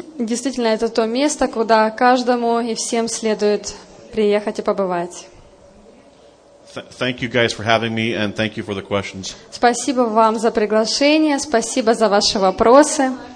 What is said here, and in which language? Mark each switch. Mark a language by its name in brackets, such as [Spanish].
[Russian] Действительно, это то место, куда каждому и всем следует приехать и побывать. [English] Thank you guys for having me and thank you for the questions. [Russian] Спасибо вам за приглашение, спасибо за ваши вопросы.